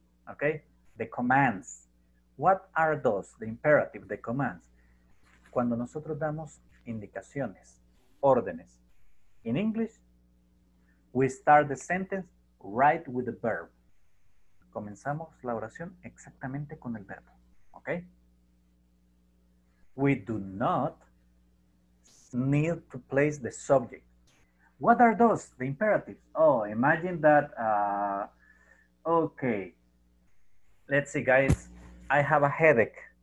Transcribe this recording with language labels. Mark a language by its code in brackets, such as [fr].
[en] Okay, the commands. What are those, the imperative, the commands? [es] Cuando nosotros damos indicaciones, órdenes. [en] In English, we start the sentence right with the verb. [es] Comenzamos la oración exactamente con el verbo, okay? [en] We do not need to place the subject. What are those, the imperatives? Oh, imagine that, okay. Let's see, guys. I have a headache.